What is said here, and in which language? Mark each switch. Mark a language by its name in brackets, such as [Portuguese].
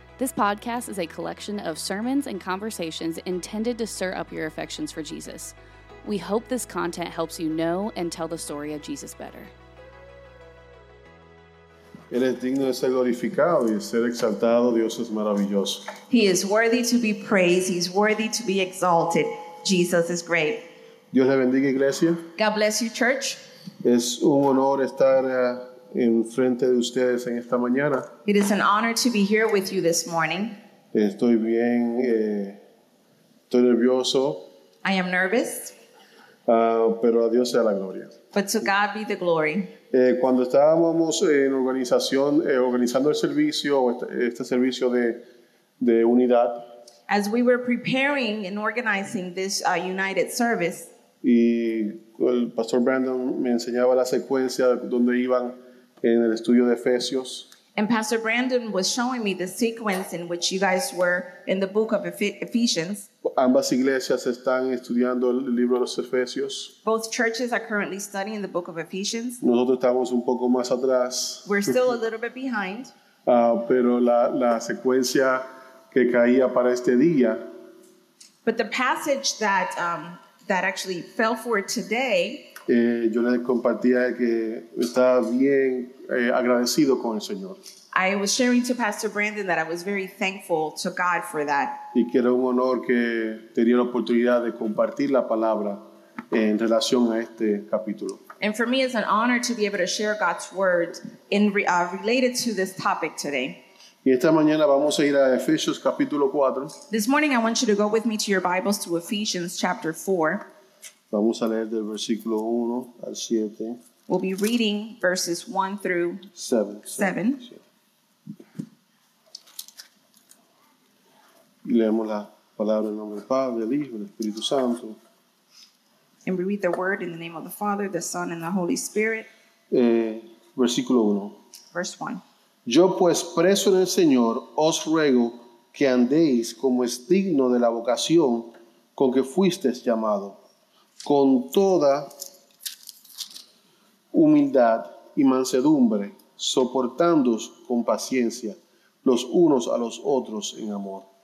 [English] This podcast is a collection of sermons and conversations intended to stir up your affections for Jesus. We hope this content helps you know and tell the story of Jesus better. [Spanish] Él es digno de ser glorificado y de ser exaltado. Dios es maravilloso. [English] He is worthy to be praised. He's worthy to be exalted. Jesus is great. [Spanish] Dios le bendiga, iglesia. [English] God bless you, church. [Spanish] Es un honor estar en frente de ustedes en esta mañana. [English] It is an honor to be here with you this morning. [Spanish] Estoy bien, estoy nervioso. [English] I am nervous. [Spanish] Pero a Dios sea la gloria. [English] But to God be the glory. [Spanish] Cuando estábamos en organización, organizando el servicio, este servicio de unidad. [English] As we were preparing and organizing this united service. [Spanish] Y el pastor Brandon me enseñaba la secuencia donde iban en el estudio de Efesios. [English] And Pastor Brandon was showing me the sequence in which you guys were in the book of Ephesians. [Spanish] Ambas iglesias están estudiando el libro de los Efesios. [English] Both churches are currently studying the book of Ephesians. [Spanish] Nosotros estamos un poco más atrás. [English] We're still a little bit behind. [Spanish] Pero la secuencia que caía para este día. [English] But the passage that that actually fell for today. [Spanish] Yo les compartía que estaba bien agradecido con el Señor. [English] I was sharing to Pastor Brandon that I was very thankful to God for that. [Spanish] Y que era un honor que tenía la oportunidad de compartir la palabra en relación a este capítulo. [English] And for me, it's an honor to be able to share God's word in related to this topic today. [Spanish] Y esta mañana vamos a ir a Efesios capítulo 4. [English] This morning I want you to go with me to your Bibles to Ephesians chapter 4. [Spanish] Vamos a leer del versículo 1 al 7. [English] We'll be reading verses 1 through 7. [Spanish] Y leemos la palabra en nombre del Padre, del Hijo, del Espíritu Santo. [English] And we read the word in the name of the Father, the Son, and the Holy Spirit. [Spanish] Versículo 1. [English] Verse 1. [Spanish] Yo pues preso en el Señor, os ruego que andéis como es digno de la vocación con que fuisteis llamado. Con toda humildad y mansedumbre, soportándoos con paciencia los unos a los otros en amor.